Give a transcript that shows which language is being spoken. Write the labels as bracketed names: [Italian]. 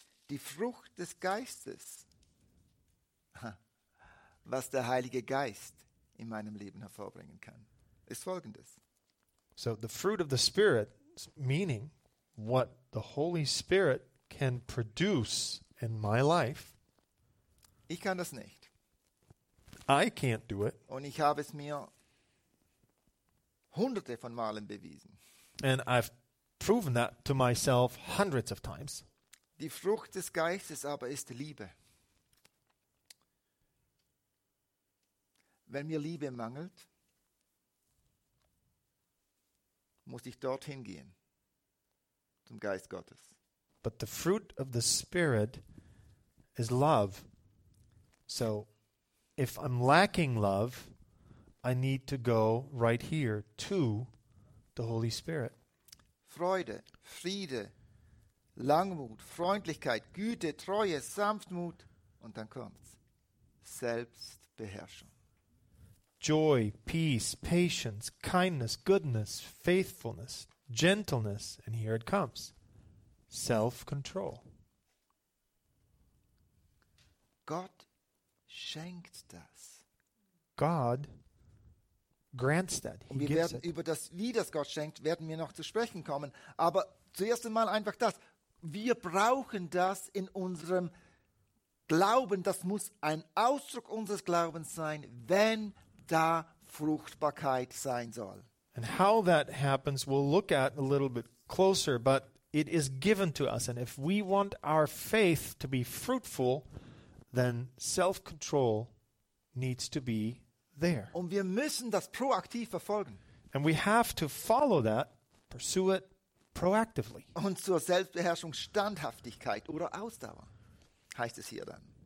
[German] die Frucht des Geistes, was der Heilige Geist in meinem Leben hervorbringen kann, ist folgendes. [English] So the fruit of the Spirit, meaning what the Holy Spirit can produce in my life. [German] Ich kann das nicht. [English] I can't do it. [German] Und ich habe es mir hunderte von Malen bewiesen. [English] And I've proven that to myself hundreds of times. [German] Die Frucht des Geistes aber ist Liebe. Wenn mir Liebe mangelt, muss ich dorthin gehen, zum Geist Gottes. [English] But the fruit of the Spirit is love. So if I'm lacking love, I need to go right here to the Holy Spirit. [German] Freude, Friede, Langmut, Freundlichkeit, Güte, Treue, Sanftmut, und dann kommt's. Selbstbeherrschung. [English] Joy, peace, patience, kindness, goodness, faithfulness, gentleness, and here it comes. Self-control. [German] Gott schenkt das. [English] God grants that. [German] Und wir werden über das, wie das Gott schenkt, werden wir noch zu sprechen kommen. Aber zuerst einmal einfach das. Wir brauchen das in unserem Glauben. Das muss ein Ausdruck unseres Glaubens sein, wenn da Fruchtbarkeit sein soll. [English] And how that happens, we'll look at a little bit closer, but it is given to us. And if we want our faith to be fruitful, then self-control needs to be there. [German] Und wir müssen das proaktiv verfolgen. [English] And we have to follow that, pursue it proactively. [German] Und zur Selbstbeherrschung Standhaftigkeit oder Ausdauer, heißt es hier dann.